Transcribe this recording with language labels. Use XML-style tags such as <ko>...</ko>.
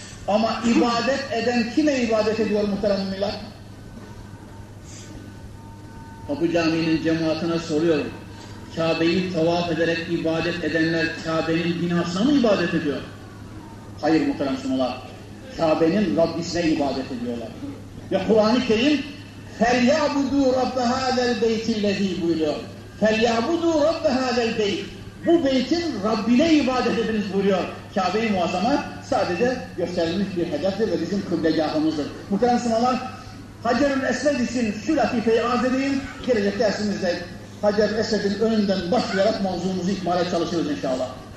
<tr>Ama ibadet eden kime ibadet ediyor muhterem müminler? Kapı Camii'nin cemaatine soruyorum. Kabe'yi tavaf ederek ibadet edenler Kabe'nin binasına mı ibadet ediyor? Hayır muhterem müminler. Kabe'nin Rabbisine ibadet ediyorlar. Ve Kur'an-ı Kerim</tr> <ar>فَلْيَعْبُدُوا رَبَّ هَذَا الْبَيْتِ الَّذ۪ي</ar> <tr>buyuruyor.</tr> <ar>فَلْيَعْبُدُوا رَبَّ هَذَا الْبَيْتِ</ar> <tr>bu beytin Rabbine ibadet ediniz buyuruyor. Kabe-i Muazzama sadece gösterilmiş bir hedeftir ve bizim kıblegahımızdır. Muhterem Müslümanlar, Hacer-ül Esved için şu latifeyi arz edeyim. Gelecek dersimizde Hacer-ül Esved'in önünden başlayarak mavzumuzu ikmale çalışırız inşallah.</tr>